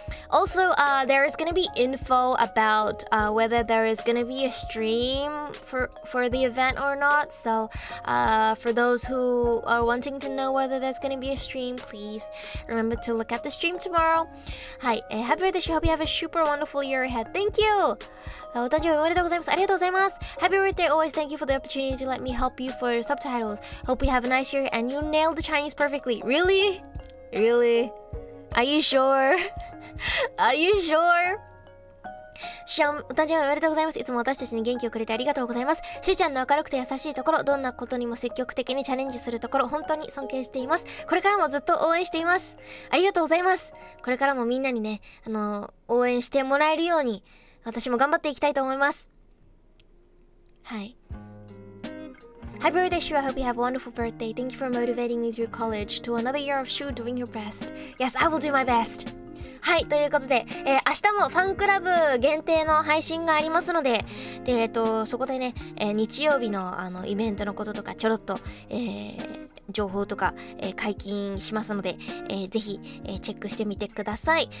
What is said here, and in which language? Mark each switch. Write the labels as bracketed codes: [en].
[en] Also, there is going to be info about whether there is going to be a stream for the event or not. So, for those who are wanting to know whether there's going to be a stream, please remember to look at the stream tomorrow. Hi, happy birthday. I hope you have a super wonderful year ahead. Thank you. [ja] お誕生日おめでとうございます。ありがとうございます。 [en] Happy birthday. Always thank you for the opportunity to let me help you for your subtitles. Hope you have a nice year and you nailed the Chinese perfectly. Really? Really? Are you sure? Are you sure? [ja] シュちゃん、お誕生日おめでとうございます。いつも私たちに元気をくれてありがとうございます。シュちゃんの明るくて優しいところ、どんなことにも積極的にチャレンジするところ、本当に尊敬しています。これからもずっと応援しています。ありがとうございます。これからもみんなにね、応援してもらえるように、私も頑張っていきたいと思います。はい。 [en] Happy birthday, Shu. I hope you have a wonderful birthday. Thank you for motivating me through college to another year of Shu doing your best. Yes, I will do my best. [ja] はい、ということで、明日もファンクラブ限定の配信がありますので、で、そこでね、日曜日の、イベントのこととか、ちょろっと、情報とか、解禁しますので、ぜひ、チェックしてみてください。